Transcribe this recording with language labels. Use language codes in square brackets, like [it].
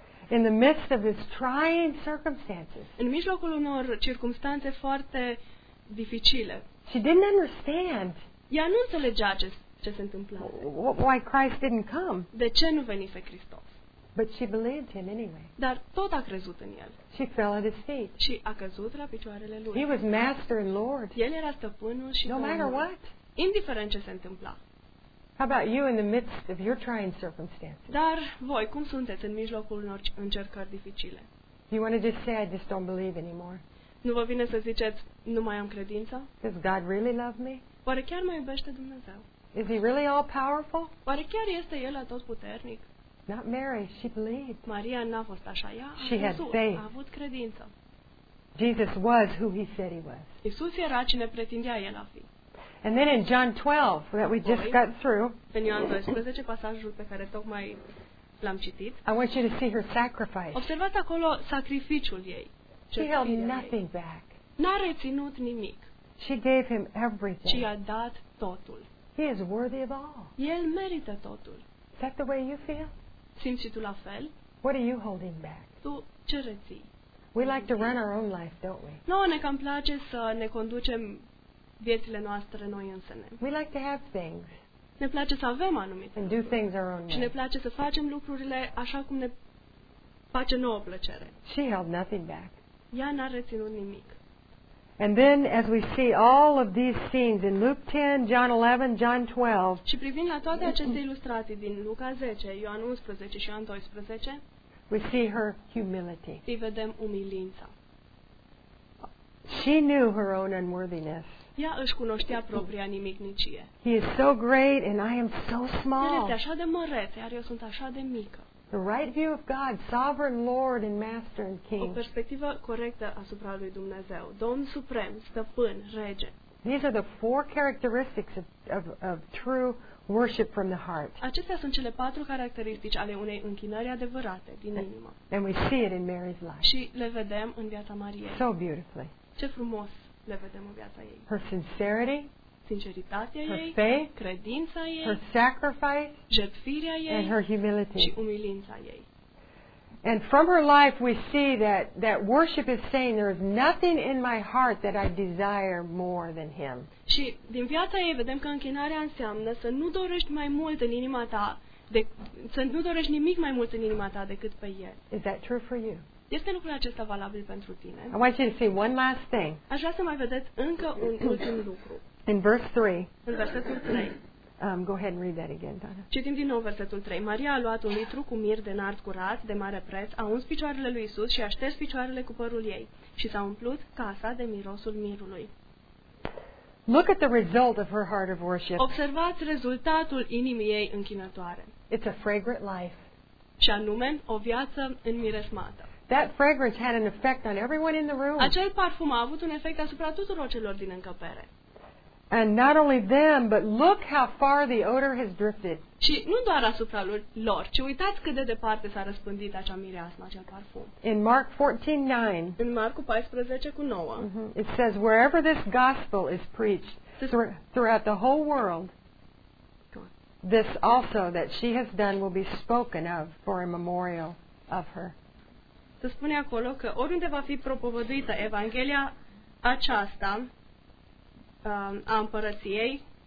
[en] In the midst of his trying circumstances. [ro] În mijlocul unor circumstanțe foarte dificile. [en] She didn't understand. [ro] Ea nu înțelegea ce se întâmpla. [en] Why Christ didn't come? [ro] De ce nu venise Hristos? [en] But she believed him anyway. [ro] Dar tot a crezut în el. [en] She fell at his feet. [ro] Și a căzut la picioarele lui. [en] He was master and lord. [ro] El era stăpânul și domnul. [en] No matter what. [ro] Indiferent ce se întâmpla. [en] How about you in the midst of your trying circumstances? [ro] Dar voi cum sunteți în mijlocul unor încercări dificile? [en] You want to just say, I just don't believe anymore? [ro] Nu vă vine să ziceți, nu mai am credință? [en] Does God really love me? [ro] Oare chiar mă iubește Dumnezeu? [en] Is He really all powerful? [ro] Oare chiar este El atot puternic? [en] Not Mary, she believed. [ro] Maria n-a fost așa, ea [en] she [ro] a [en] had faith. [ro] A avut credință. [en] Jesus was who He said He was. [ro] Iisus era cine pretindea El a fi. [en] And then in John 12 that we just got through. [ro] În Ioan 12 pasajul pe care tocmai l-am citit. [en] I want you to see her sacrifice. [ro] Observați acolo sacrificiul ei. [en] She held nothing back. [ro] N-a reținut nimic. [en] She gave him everything. [ro] Și i-a dat totul. [en] He is worthy of all. [ro] El merită totul. [en] Is that the way you feel? [ro] Simți și tu la fel? [en] What are you holding back? [ro] Tu ce reții? [en] We like to run our own life, don't we? [ro] Noi ne cam place să ne conducem viețile noastre noi însăne. [en] We like to have things. [ro] Ne place să avem anumite [en] and do things our own way. [ro] Și ne place să facem lucrurile așa cum ne face nouă plăcere. [en] She held nothing back. [ro] Ea n-a reținut nimic. [en] And then as we see all of these scenes in Luke 10, John 11, John 12. [ro] Și privind la toate aceste ilustrații din Luca 10, Ioan 11 și Ioan 12. [en] We see her humility. [ro] Îi vedem umilința. [en] She knew her own unworthiness. [ro] Ea își cunoștea propria nimicnicie. [en] He is so great and I am so small. [ro] El este așa de măreț, iar eu sunt așa de mică. [en] The right view of God, sovereign Lord and Master and King. [ro] O perspectivă corectă asupra lui Dumnezeu, Domn suprem, stăpân, rege. [en] These are the four characteristics of true worship from the heart. [ro] Acestea sunt cele patru caracteristici ale unei închinări adevărate din inimă. [en] And we see it in Mary's life. [ro] Și le vedem în viața Mariei. [en] So beautifully. [ro] Ce frumos le vedem în viața ei. [en] Her sincerity. [ro] Sinceritatea [en] her [ro] ei. [en] Her faith. [ro] Credința ei. [en] Her sacrifice. [ro] Jertfirea ei. [en] And her humility. [ro] Și umilința ei. [en] And from her life we see that worship is saying there is nothing in my heart that I desire more than him. [ro] Și din viața ei vedem că închinarea înseamnă să nu dorești mai mult în inima ta să nu dorești nimic mai mult în inima ta decât pe el. [en] Is that true for you? [ro] Este lucrul acesta valabil pentru tine? [en] I want you to see one last thing. [ro] Aș vrea să mai vedeți încă un ultim lucru. [en] In verse 3. [ro] În versetul 3. [en] Go ahead and read that again, Donna. [ro] Citim din nou versetul 3. Maria a luat un litru cu mir de nard curat, de mare preț, a uns picioarele lui Iisus și a șters picioarele cu părul ei și s-a umplut casa de mirosul mirului. [en] Look at the result of her heart of worship. [ro] Observați rezultatul inimii ei închinătoare. [en] It's a fragrant life. [ro] Și anume, o viață înmiresmată. [en] That fragrance had an effect on everyone in the room. [ro] Acel parfum a avut un efect asupra tuturor celor din încăpere. [en] And not only them, but look how far the odor has drifted. [ro] Și nu doar asupra lor, ci uitați cât de departe s-a răspândit acea mireasmă, acel parfum. [en] In Mark 14:9. [ro] În Marcu 14:9. [en] It says wherever this gospel is preached throughout the whole world, this also that she has done will be spoken of for a memorial of her. [ro] Se spune acolo că oriunde va fi propovăduită evanghelia aceasta, a împărăției